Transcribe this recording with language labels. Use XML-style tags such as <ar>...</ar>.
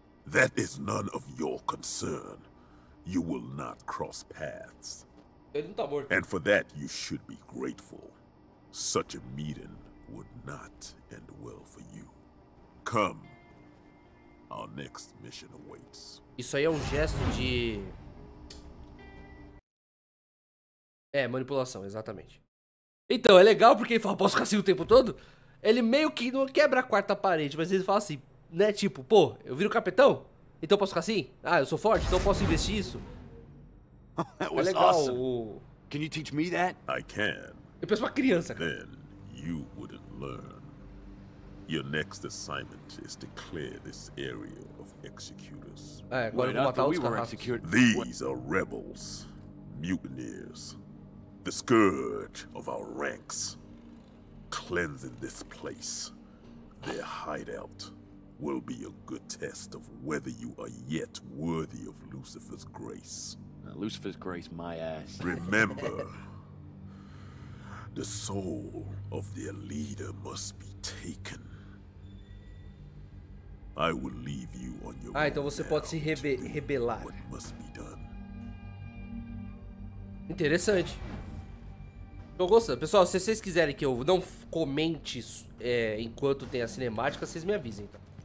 <en>That is none of your concern. You will not cross paths.</en> <pt>Ele não tá morto.</pt> <en>And for that, you should be grateful. Such a meeting would not end well for you. Come. Our next mission awaits.</en> <pt>Isso aí é um gesto de... É, manipulação, exatamente. Então, é legal porque ele fala, posso ficar assim o tempo todo? Ele meio que não quebra a quarta parede, mas ele fala assim, né, tipo, pô, eu viro capitão? Então eu posso ficar assim? Ah, eu sou forte, então eu posso investir isso?</pt> <en>That was</en> <pt>é legal.</pt> <en>Awesome. Can you teach me that? I can.</en> <pt>Eu penso uma criança, cara.</pt> <en>Then you wouldn't learn. Your next assignment is to clear this area of executors.</en> <pt>É, agora eu vou matar os caras.</pt> <en>These are rebels, mutineers, the scourge of our ranks. Cleansing this place, their hideout, will be a good test of whether you are yet worthy of Lucifer's grace. Lucifer's grace, my ass. Remember. The soul of their leader must be taken. I will leave you on your</en> <pt>own. Ah, então você pode se rebelar.</pt> <en>What must be done.</en> <pt>Interessante. Eu gosto. Pessoal, se vocês quiserem que eu não comente enquanto tem a cinemática, vocês me avisem. Então.</pt>